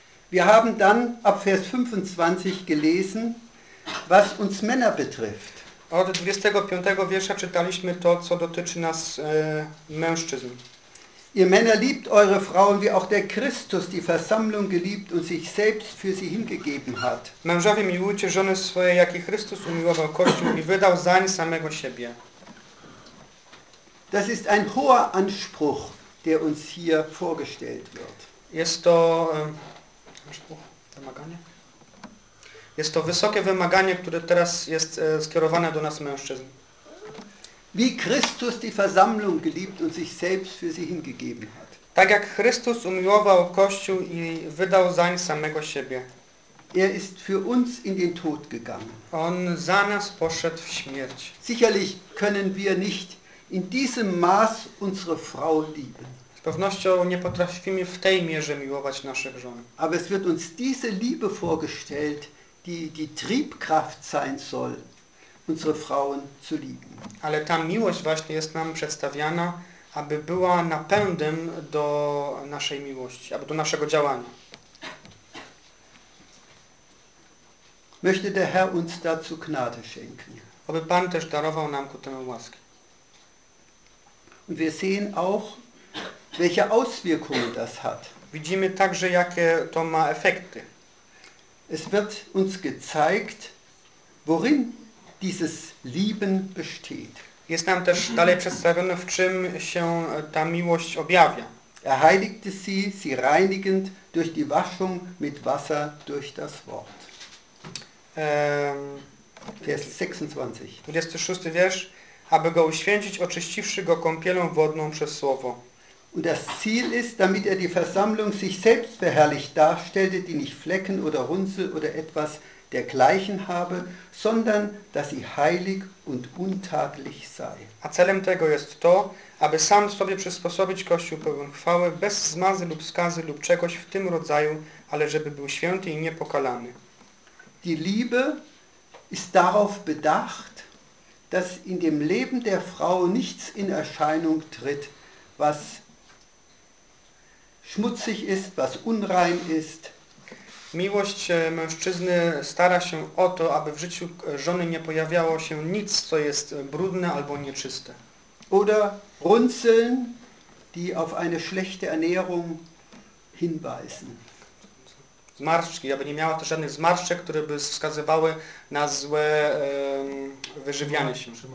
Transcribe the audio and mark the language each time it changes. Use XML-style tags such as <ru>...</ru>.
<de>Wir haben dann ab Vers 25 gelesen, was uns Männer betrifft.</de> <pl>Od 25 wiersza czytaliśmy to, co dotyczy nas mężczyzn.</pl> <de>Ihr Männer liebt eure Frauen, wie auch der Christus die Versammlung geliebt und sich selbst für sie hingegeben hat.</de> <pl>Mężowie, miłujcie żony swoje, jak i Chrystus umiłował Kościół i wydał zań samego siebie.</pl> <de>Das ist ein hoher Anspruch, der uns hier vorgestellt wird.</de> <pl>Jest to Anspruch, wymaganie? Jest to wysokie wymaganie, które teraz jest skierowane do nas mężczyzn.</pl> <de>Wie Christus die Versammlung geliebt und sich selbst für sie hingegeben hat.</de> <pl>Tak jak Chrystus umiłował Kościół i wydał zań samego siebie.</pl> <de>Er ist für uns in den Tod gegangen.</de> <pl>On za nas poszedł w śmierć.</pl> <de>Sicherlich können wir nicht in diesem Maß unsere Frau lieben.</de> <pl>Z pewnością nie potrafimy w tej mierze miłować naszych żon.</pl> <de>Aber es wird uns diese Liebe vorgestellt, die Triebkraft sein soll, unsere Frauen zu lieben.</de> <pl>Ale ta miłość właśnie jest nam przedstawiana, aby była napędem do naszej miłości, aby do naszego działania.</pl> <de>Möchte der Herr uns dazu Gnade schenken.</de> <pl>Aby Pan też darował nam ku temu łaskę.</pl> <de>Und wir sehen auch, welche Auswirkungen das hat.</de> <pl>Widzimy także, jakie to ma efekty.</pl> <de>Es wird uns gezeigt, worin dieses Lieben besteht.</de> <pl>Jest nam też dalej przedstawione, w czym się ta miłość objawia.</pl> <de>Er heiligte sie reinigend durch die Waschung mit Wasser durch das Wort. Vers 26.</de> <pl>26 wiersz, aby go uświęcić, oczyściwszy go kąpielą wodną przez słowo.</pl> <de>Und das Ziel ist, damit er die Versammlung sich selbst verherrlicht darstellte, die nicht Flecken oder Runzel oder etwas dergleichen habe, sondern dass sie heilig und untadelig sei.</de> <pl>A celem tego jest to, aby sam sobie przysposobić Kościół pełen chwały, bez zmazy lub skazy lub czegoś w tym rodzaju, ale żeby był święty i niepokalany.</pl> <de>Die Liebe ist darauf bedacht, dass in dem Leben der Frau nichts in Erscheinung tritt, was schmutzig ist, was unrein ist.</de> <pl>Miłość mężczyzny stara się o to, aby w życiu żony nie pojawiało się nic, co jest brudne albo nieczyste.</pl> <de>Oder Runzeln, die auf eine schlechte Ernährung hinweisen.</de> <pl>Zmarszczki, aby nie miała to żadnych zmarszczek, które by wskazywały na złe wyżywianie się.</pl>